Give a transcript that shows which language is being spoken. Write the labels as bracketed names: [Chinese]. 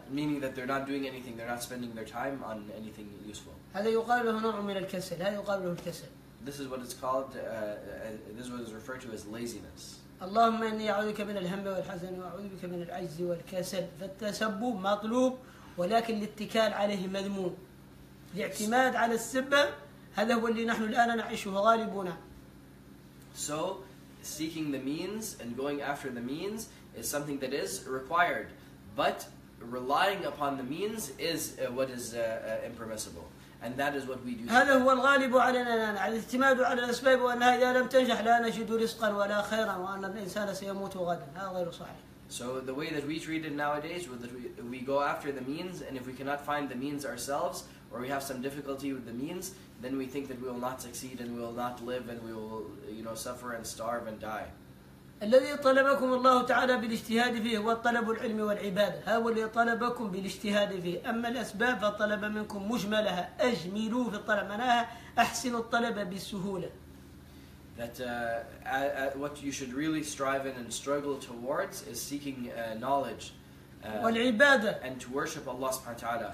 [English] meaning that they're not doing anything, they're not spending their time on anything useful. [Arabic] Hada yuqalu lahu naw' min al-kasal, hada yuqalu lahu al-kasal. [English] This is what it's called, this is what is referred to as laziness. [Arabic] اللهم إني أعوذ بك من الهم والحزن وأعوذ بك من العجز والكسل فالتسبب مطلوب ولكن الاتكال عليه مذموم الاعتماد على السبب هذا هو اللي نحن الآن نعيشه غالبنا. [English] So seeking the means and going after the means is something that is required, but relying upon the means is what is impermissible, and that is what we do. [Arabic] هذا هو الغالب علينا الآن الاعتماد على الأسباب وأنها إذا لم تنجح لا نجد رزقا ولا خيرا وأن الإنسان سيموت غدا هذا غير صحيح. [English] So the way that we treat it nowadays was that we go after the means, and if we cannot find the means ourselves or we have some difficulty with the means, then we think that we will not succeed and we will not live and we will suffer and starve and die. [Arabic] الذي طلبكم الله تعالى بالاجتهاد فيه هو طلب العلم والعبادة هو اللي طلبكم بالاجتهاد فيه أما الأسباب فطلب منكم مجملها أجملوا في الطلب معناها أحسن الطلب بسهولة. [English] That what you should really strive in and struggle towards is seeking knowledge. [Arabic] والعبادة. [English] And to worship Allah سبحانه وتعالى.